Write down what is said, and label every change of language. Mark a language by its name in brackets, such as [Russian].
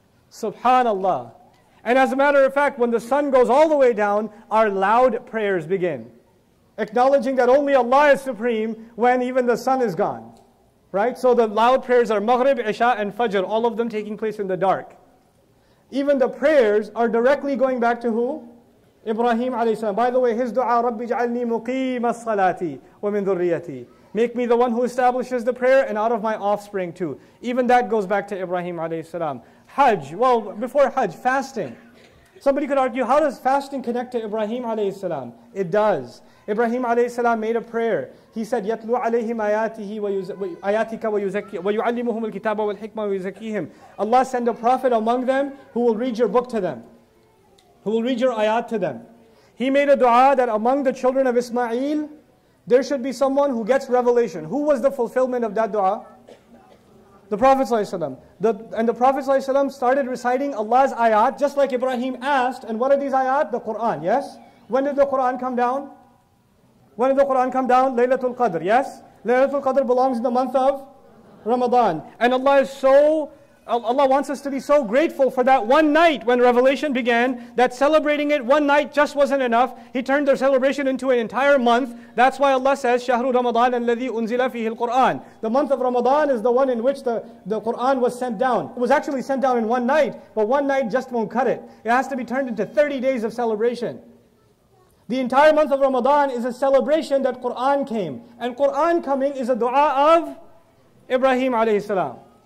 [English] Subhanallah. And as a matter of fact, when the sun goes all the way down, our loud prayers begin. Acknowledging that only Allah is supreme when even the sun is gone. Right? So the loud prayers are Maghrib, Isha and Fajr, all of them taking place in the dark. Even the prayers are directly going back to who? Ibrahim alayhi salam. By the way, his dua, [Arabic] رَبِّ جَعَلْنِي مُقِيمَ الصَّلَاةِ وَمِنْ ذُرِّيَّتِي. [English] Make me the one who establishes the prayer and out of my offspring too. Even that goes back to Ibrahim alayhi salam. Hajj, well, before Hajj, fasting. Somebody could argue, how does fasting connect to Ibrahim alayhi salam? It does. Ibrahim alayhi salam made a prayer. He said, [Arabic] يَتْلُوْ عَلَيْهِمْ آيَاتِكَ وَيُعَلِّمُهُمُ الْكِتَابَ وَالْحِكْمَ وَيُزَكِّيهِمْ. [English] Allah send a prophet among them who will read your book to them, who will read your ayat to them. He made a dua that among the children of Ismail, there should be someone who gets revelation. Who was the fulfillment of that dua? The Prophet And the Prophet started reciting Allah's ayat, just like Ibrahim asked. And what are these ayat? The Quran, yes? When did the Quran come down? When did the Quran come down? Laylatul Qadr, yes? Laylatul Qadr belongs in the month of Ramadan. And Allah wants us to be so grateful for that one night when revelation began, that celebrating it one night just wasn't enough. He turned their celebration into an entire month. That's why Allah says, [Arabic] شَهْرُ رَمَضَانَ الَّذِي أُنزِلَ فِيهِ الْقُرْآنِ. [English] The month of Ramadan is the one in which the Quran was sent down. It was actually sent down in one night, but one night just won't cut it. It has to be turned into 30 days of celebration. The entire month of Ramadan is a celebration that Quran came. And Quran coming is a dua of Ibrahim alayhi salam.